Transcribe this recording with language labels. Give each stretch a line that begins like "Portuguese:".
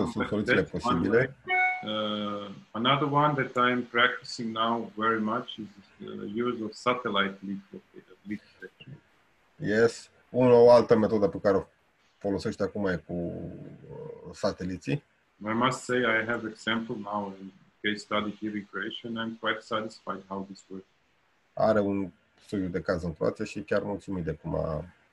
English: Another one that I'm practicing now very much is the use of satellite leak detection. Yes.
Romanian: O altă metodă pe care o folosește acum e cu sateliții.
English: I must say I have example now in case study here in Croatia and I'm quite satisfied how this works.
Romanian: Are un studiu de caz în Croația și chiar mulțumit de cum a